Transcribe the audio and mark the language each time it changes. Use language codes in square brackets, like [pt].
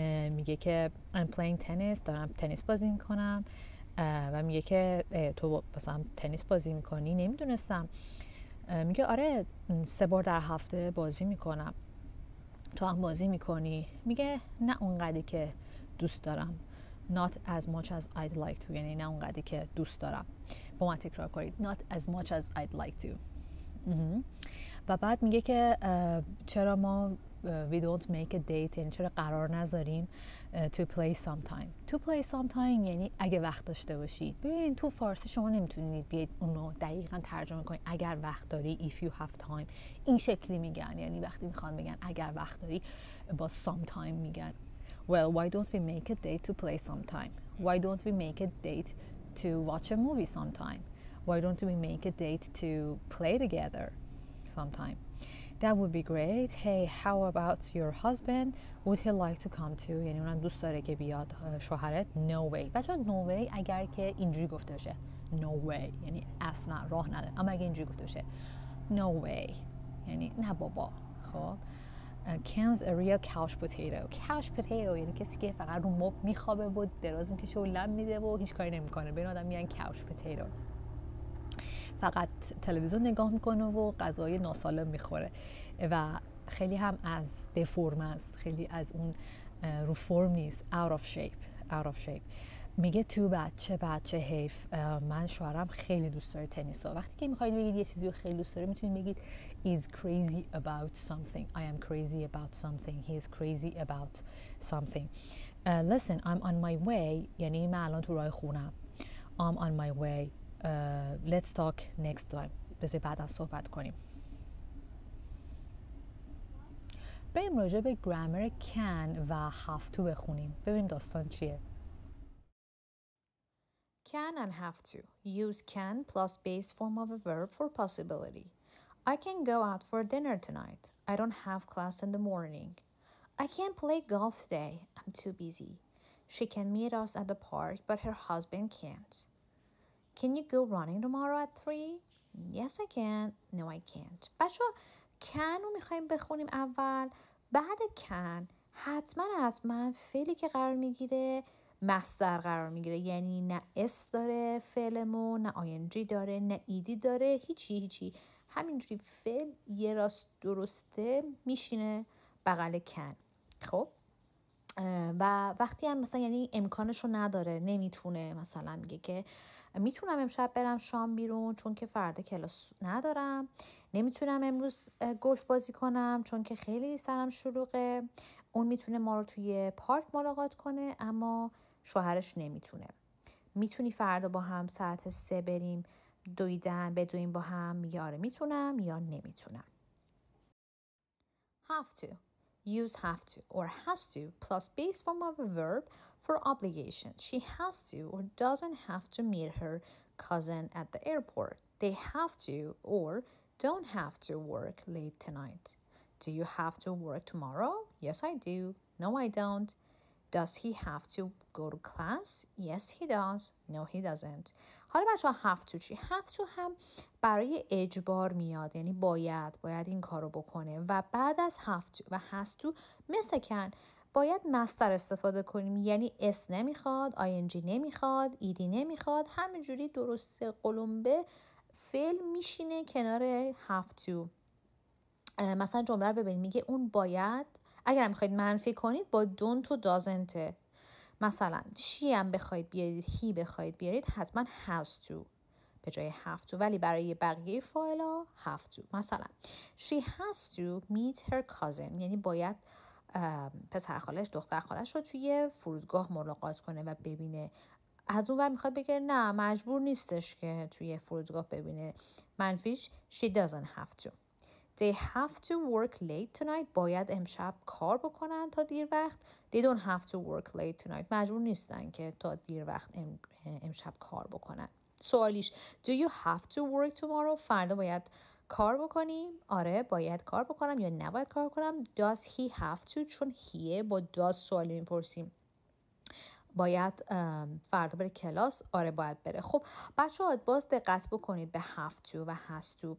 [fa] میگه که [en] I'm playing tennis، [fa] دارم تنیس بازی میکنم. و میگه که تو مثلا تنیس بازی میکنی؟ نمیدونستم. میگه آره، 3 بار در هفته بازی میکنم. تو هم بازی میکنی؟ میگه نه اونقدی که دوست دارم. [en] Not as much as I'd like to، [fa] یعنی نه اونقدی که دوست دارم. با من تکرار کنید. [en] Not as much as I'd like to. [fa] و بعد میگه که چرا ما [en] we don't make a date، [fa] یعنی چرا قرار نذاریم [en] to play sometime. To play sometime [fa] یعنی اگه وقت داشته باشید. ببینید تو فارسی شما نمیتونید بیاید اونو دقیقا ترجمه کنید. اگر وقت داری، [en] if you have time، [fa] این شکلی میگن. یعنی وقتی میخوان بگن اگر وقت داری با sometime میگن. [en] Well, why don't we make a date to play sometime? Why don't we make a date to watch a movie sometime? Why don't we make a date to play together sometime? That would be great. Hey, how about your husband? Would he like to come too? [fa] یعنی اونم دوست داره که بیاد، شوهرت. [en] No way. [fa] بچه ها no way اگر که اینجوری گفته شه. [en] No way. [fa] یعنی اصلا راه نداره. اما اگه اینجوری گفته شه. No way. یعنی نه بابا. خب. [en] Ken's a real couch potato. [fa] Couch potato یعنی کسی که فقط رو مبل میخوابه و دراز میکشه و لم میده و هیچ کاری نمیکنه. به این آدم میگن couch potato. فقط تلویزیون نگاه میکنه و غذای ناسالم میخوره و خیلی هم از دفرم است، خیلی از اون رو فرم نیست. [en] Out of shape. [fa] میگه تو بچه بچه حیف. من شوهرم خیلی دوست داره تنیس. وقتی که میخواید بگید یه چیزی رو خیلی دوست داره میتونید بگید [en] is crazy about something. I am crazy about something. He is crazy about something. Listen, I'm on my way. [fa] یعنی من الان تو راه خونم. [en] I'm on my way. Let's talk next time. [fa] بذار بعدا صحبت کنیم. بریم راجع به گرامر can و have to بخونیم. ببینیم داستان چیه. [en] can and have to. Use can plus base form of a verb for possibility. I can go out for dinner tonight. I don't have class in the morning. I can't play golf today. I'm too busy. She can meet us at the park, but her husband can't. Can you go running tomorrow at 3? Yes, I can. No, I can't. [fa] بچه can رو میخواییم بخونیم اول. بعد can حتما فعلی که قرار میگیره مصدر قرار میگیره. یعنی نه اس داره فعلمون، نه ing داره، نه ایدی داره، هیچی. همینجوری فعل یه راست درسته میشینه بغل can. خب و وقتی هم مثلا یعنی امکانشو نداره، نمیتونه، مثلا میگه که میتونم امشب برم شام بیرون چون که فردا کلاس ندارم، نمیتونم امروز گلف بازی کنم چون که خیلی سرم شلوغه. اون میتونه ما رو توی پارک ملاقات کنه اما شوهرش نمیتونه. میتونی فردا با هم ساعت 3 بریم دویدن، بدویم با هم؟ یا آره میتونم یا نمیتونم. [en] have to. Use have to or has to plus base form of a verb for obligation. She has to or doesn't have to meet her cousin at the airport. They have to or don't have to work late tonight. Do you have to work tomorrow? Yes, I do. No, I don't. Does he have to go to class? Yes, he does. No, he doesn't. [fa] حالا بچه ها have to چی؟ have to هم برای اجبار میاد. یعنی باید این کارو بکنه. و بعد از have to و has to مثل کن باید مصدر استفاده کنیم. یعنی اس نمیخواد، ing نمیخواد، ایدی نمیخواد. همینجوری درست قلمبه فعل میشینه کنار have to. مثلا جمله رو ببینیم. میگه اون باید، اگر میخواید منفی کنید با don't و doesn't. مثلا she هم بخواید بیارید، he بخواید بیارید، حتما has to به جای have to. ولی برای بقیه فاعلا have to. مثلا [en] she has to meet her cousin، [fa] یعنی باید پسر خالش، دختر خالش رو توی فرودگاه ملاقات کنه و ببینه. از اون ور میخواد بگه نه، مجبور نیستش که توی فرودگاه ببینه. منفیش [en] she doesn't have to. They have to work late tonight. [fa] باید امشب کار بکنن تا دیر وقت. [en] They don't have to work late tonight. [fa] مجبور نیستن که تا دیر وقت امشب کار بکنن. سوالیش [en] Do you have to work tomorrow? [fa] فردا باید کار بکنیم؟ آره باید کار بکنم یا نباید کار کنم؟ [en] Does he have to? [fa] چون هیه با does سوالی میپرسیم. باید فردا بره کلاس؟ آره باید بره. خب بچه ها باز دقت بکنید به have to و has to.